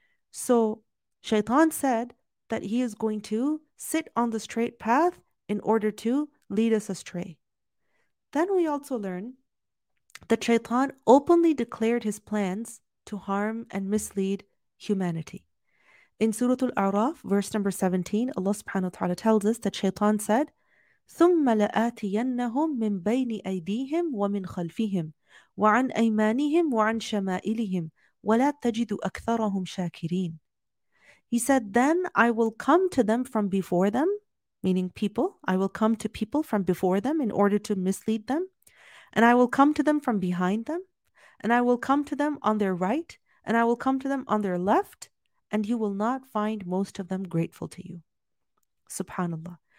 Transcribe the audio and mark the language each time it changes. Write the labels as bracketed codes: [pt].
[en] So Shaitan said that he is going to sit on the straight path in order to lead us astray. Then we also learn that Shaitan openly declared his plans to harm and mislead humanity. In Surah Al-A'raf, verse number 17, Allah subhanahu wa ta'ala tells us that Shaitan said, [ar] ثُمَّ لَآتِيَنَّهُمْ مِنْ بَيْنِ أَيْدِيهِمْ وَمِنْ خَلْفِهِمْ وَعَنْ أَيْمَانِهِمْ وَعَنْ شَمَائِلِهِمْ وَلَا تَجِدُ أَكْثَرَهُمْ شَاكِرِينَ. [en] He said, then I will come to them from before them, meaning people, I will come to people from before them in order to mislead them. And I will come to them from behind them. And I will come to them on their right. And I will come to them on their left. And you will not find most of them grateful to you. SubhanAllah.